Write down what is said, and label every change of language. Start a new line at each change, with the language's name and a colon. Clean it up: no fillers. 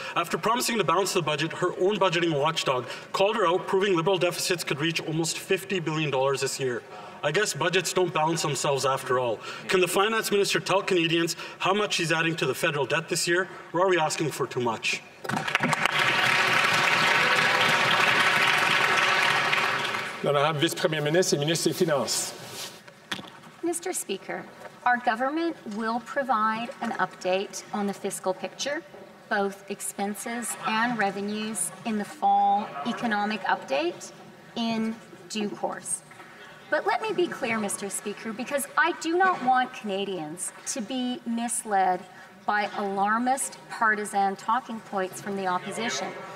English: After promising to balance the budget, her own budgeting watchdog called her out, proving Liberal deficits could reach almost $50 billion this year. I guess budgets don't balance themselves after all. Can the finance minister tell Canadians how much she's adding to the federal debt this year, or are we asking for too much?
French: L'honorable vice-premier ministre et ministre des Finances.
English: Mr. Speaker, our government will provide an update on the fiscal picture, both expenses and revenues, in the fall economic update in due course. But let me be clear, Mr. Speaker, because I do not want Canadians to be misled by alarmist partisan talking points from the opposition.